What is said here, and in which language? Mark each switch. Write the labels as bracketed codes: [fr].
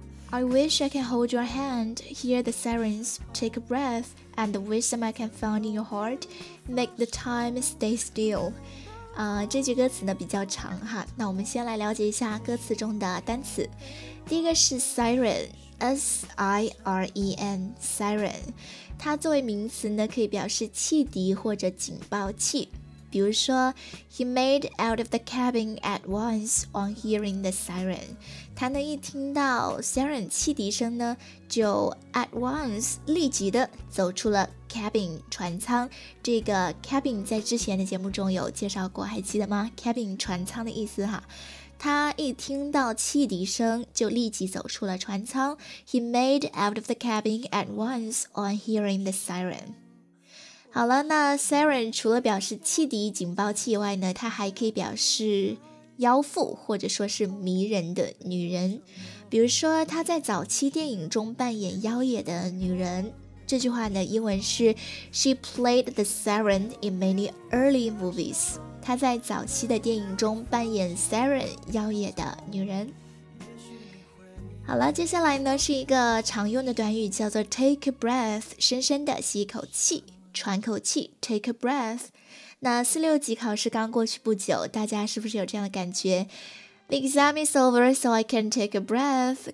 [en] I wish I can hold your hand, hear the sirens, take a breath, and the wisdom I can find in your heart, make the time stay still. [zh] 这句歌词呢比较长哈，那我们先来了解一下歌词中的单词。第一个是 siren, S-I-R-E-N, siren。它作为名词呢，可以表示汽笛或者警报器。 [en] 比如说 He made out of the cabin at once on hearing the siren. [zh] 他呢一听到 siren 汽笛声呢，就 at once 立即的走出了 cabin 船舱。这个 cabin 在之前的节目中有介绍过，还记得吗？ cabin 船舱的意思哈。他一听到汽笛声就立即走出了船舱。 [en] He made out of the cabin at once on hearing the siren。 [zh] 好了，那 siren 除了表示汽笛警报器以外呢，它还可以表示妖妇或者说是迷人的女人。比如说她在早期电影中扮演妖冶的女人，这句话呢英文是 [en] She played the siren in many early movies。 [zh] 她在早期的电影中扮演 siren 妖冶的女人。好了，接下来呢是一个常用的短语，叫做 [en] take a breath， [zh] 深深的吸一口气，喘口气 take a breath。那四六级考试刚过去不久，大家是不是有这样的感觉？ [en] The exam is over so I can take a breath。